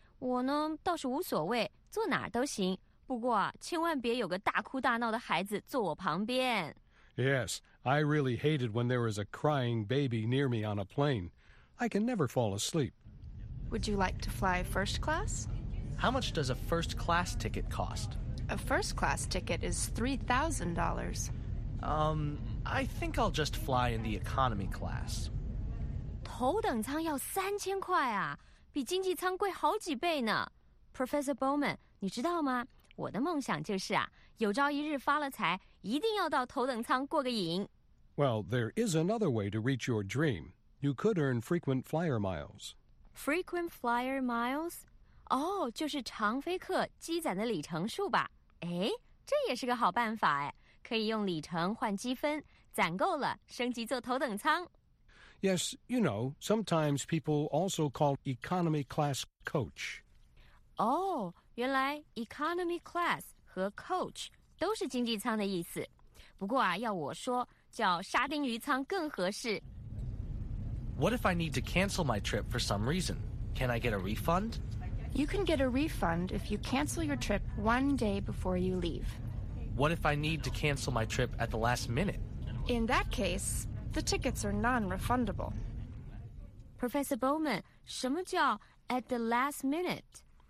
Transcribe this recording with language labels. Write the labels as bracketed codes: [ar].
[zh] 我呢倒是无所谓，坐哪儿都行。不过啊，千万别有个大哭大闹的孩子坐我旁边。 [en] Yes, I really hated when there was a crying baby near me on a plane. I can never fall asleep. Would you like to fly first class? How much does a first class ticket cost? A first-class ticket is $3,000. I think I'll just fly in the economy class. [zh] 头等舱要3000块啊，比经济舱贵好几倍呢。 Professor Bowman, 你知道吗？我的梦想就是啊，有朝一日发了财，一定要到头等舱过个瘾。 [en] Well, there is another way to reach your dream. You could earn frequent flyer miles. Frequent flyer miles? [zh] 就是常飞客积攒的里程数吧。哎，这也是个好办法哎，可以用里程换积分，攒够了升级坐头等舱。 [en] Yes, you know, sometimes people also call economy class coach. [zh] 原来 economy class 和 coach 都是经济舱的意思。不过啊，要我说，叫沙丁鱼舱更合适。 [en] What if I need to cancel my trip for some reason? Can I get a refund? You can get a refund if you cancel your trip one day before you leave. What if I need to cancel my trip at the last minute? In that case, the tickets are non-refundable. Professor Bowman, [zh] 什么叫 [en] at the last minute?